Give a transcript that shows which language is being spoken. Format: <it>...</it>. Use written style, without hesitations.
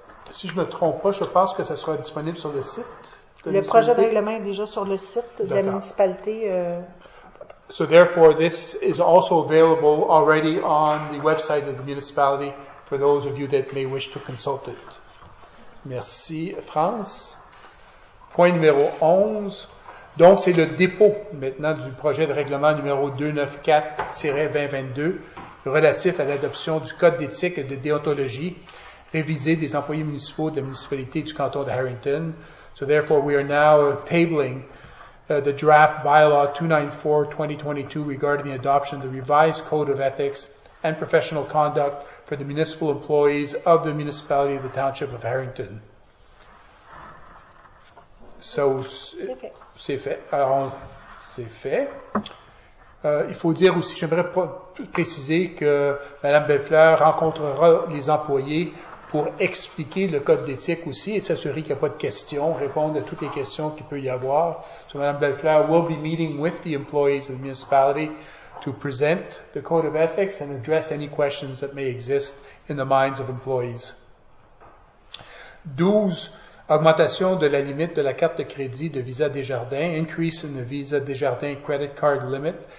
<fr>Si je ne me trompe pas, je pense que ça sera disponible sur le site. Le projet de règlement est déjà sur le site de la municipalité.</fr> <en>So therefore, this is also available already on the website of the municipality for those of you that may wish to consult it.</en> <fr>Merci, France. Point numéro 11. Donc, c'est le dépôt maintenant du projet de règlement numéro 294-2022 relatif à l'adoption du code d'éthique et de déontologie révisé des employés municipaux de la municipalité du canton de Harrington.</fr> <en>So therefore, we are now tabling the draft bylaw 294-2022 regarding the adoption of the revised code of ethics and professional conduct for the municipal employees of the municipality of the township of Harrington. So,</en> <fr>c'est fait. Il faut dire aussi, j'aimerais préciser que Mme Bellefleur rencontrera les employés pour expliquer le code d'éthique aussi et s'assurer qu'il n'y a pas de questions, répondre à toutes les questions qu'il peut y avoir.</fr> <en>So, Madame Bellefleur will be meeting with the employees of the municipality to present the code of ethics and address any questions that may exist in the minds of employees.</en> <fr>12, augmentation de la limite de la carte de crédit de Visa Desjardins,</fr> <en>increase in the Visa Desjardins credit card limit.</en>